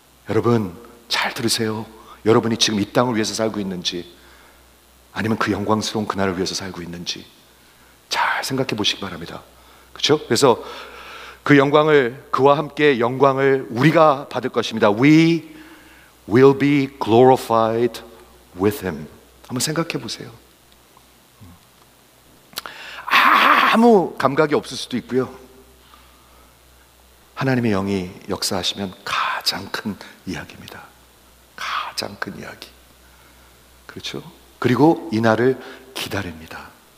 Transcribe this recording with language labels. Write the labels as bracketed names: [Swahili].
[Korean] 여러분 잘 들으세요. 여러분이 지금 이 땅을 위해서 살고 있는지 아니면 그 영광스러운 그날을 위해서 살고 있는지 잘 생각해 보시기 바랍니다. 그렇죠? 그래서 그 영광을, 그와 함께 영광을 우리가 받을 것입니다. [English] We will be glorified with him. [Korean] 한번 생각해 보세요. 아무 감각이 없을 수도 있고요. 하나님의 영이 역사하시면 가장 큰 이야기입니다. 가장 큰 이야기. 그렇죠? 그리고 이날을 기다립니다.